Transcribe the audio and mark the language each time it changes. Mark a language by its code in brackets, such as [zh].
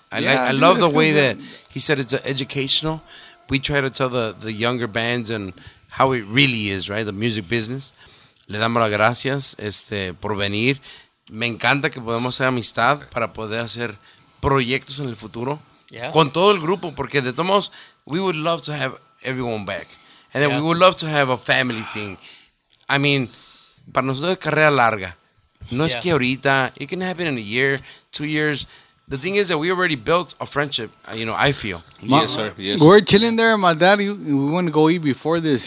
[en] I love the way that he said it's educational. We try to tell the younger bands and how it really is, right? The music business. [es] Le damos las gracias por venir. Me encanta que podamos hacer amistad para poder hacer proyectos en el futuro. [en] Yeah. [es] Con todo el grupo, porque de todos modos, [en] we would love to have everyone back. And then we would love to have a family thing. I mean, [es] para nosotros es carrera larga. No es que ahorita, [en] it can happen in a year, 2 years. The thing is that we already built a friendship, you know, I feel. Yes, sir. We're chilling there, and my daddy, we want to go eat before this.